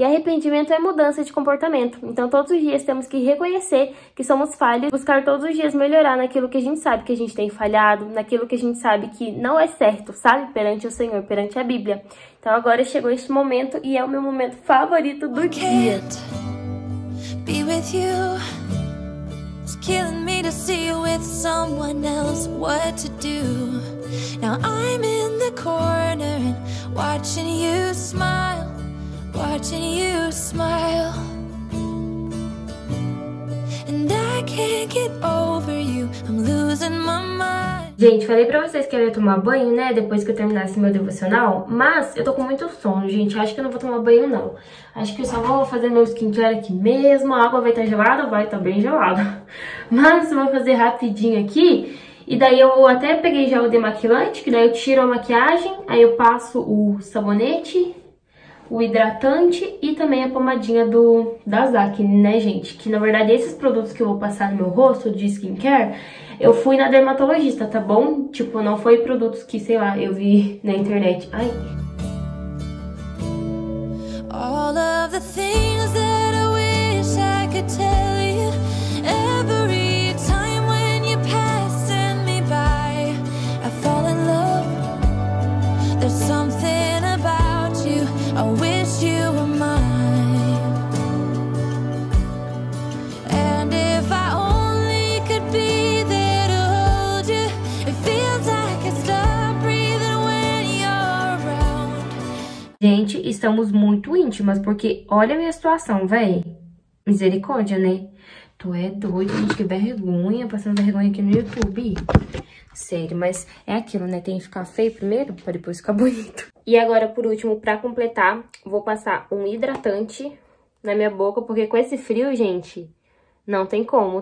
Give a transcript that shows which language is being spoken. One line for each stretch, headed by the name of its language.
Portuguese: E arrependimento é mudança de comportamento, então todos os dias temos que reconhecer que somos falhos, buscar todos os dias melhorar naquilo que a gente sabe que a gente tem falhado, naquilo que a gente sabe que não é certo, sabe, perante o Senhor, perante a Bíblia. Então agora chegou esse momento e é o meu momento favorito do dia.
English: Be with you. It's killing me to see you with someone else. What to do? Now I'm in the corner and watching you smile, watching you smile. And I can't get over you. I'm losing my mind.
Portuguese: Gente, falei pra vocês que eu ia tomar banho, né? Depois que eu terminasse meu devocional. Mas eu tô com muito sono, gente. Acho que eu não vou tomar banho, não. Acho que eu só vou fazer meu skincare aqui mesmo. A água vai estar gelada? Vai estar bem gelada. Mas vou fazer rapidinho aqui. E daí eu até peguei já o demaquilante, que daí eu tiro a maquiagem, aí eu passo o sabonete, o hidratante e também a pomadinha da Zac, né, gente? Que, na verdade, esses produtos que eu vou passar no meu rosto de skincare, eu fui na dermatologista, tá bom? Tipo, não foi produtos que, sei lá, eu vi na internet. Ai...
English: All of the things that I wish I could tell you. Every time when you're passing me by, I fall in love. There's something about you. I wish you were mine. And if I only could be there to hold you. It feels like I stop breathing when you're around.
Portuguese: Gente, estamos muito íntimas, porque olha a minha situação, véi. Misericórdia, né? Tu é doido, gente, que vergonha, passando vergonha aqui no YouTube. Sério, mas é aquilo, né? Tem que ficar feio primeiro pra depois ficar bonito. E agora, por último, pra completar, vou passar um hidratante na minha boca, porque com esse frio, gente, não tem como.